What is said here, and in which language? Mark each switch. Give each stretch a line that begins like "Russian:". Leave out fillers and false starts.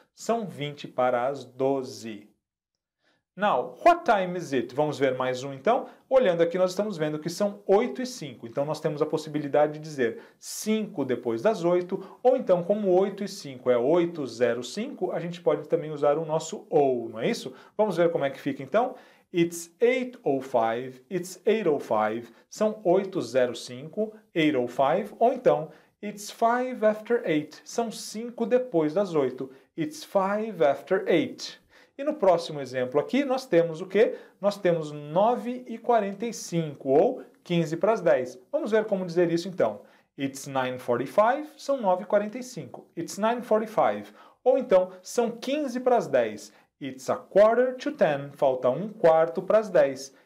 Portuguese: São 20 para as 12.
English: Now, what time is it?
Portuguese: Vamos ver mais um então. Olhando aqui, nós estamos vendo que são 8:05. Então, nós temos a possibilidade de dizer 5 depois das 8, ou então, como 8:05 é 8:05, a gente pode também usar o nosso ou, não é isso? Vamos ver como é que fica então.
English: It's 8:05, it's 8:05,
Portuguese: são 8:05, 8:05, ou então,
English: it's 5 after 8,
Portuguese: são 5 depois das 8,
English: it's 5 after 8.
Portuguese: E no próximo exemplo aqui, nós temos o quê? Nós temos 9:45, ou 15 para as 10. Vamos ver como dizer isso, então.
English: It's 9:45,
Portuguese: são 9:45.
English: It's 9:45.
Portuguese: Ou então, são 15 para as 10.
English: It's a quarter to 10.
Portuguese: Falta um quarto para as 10.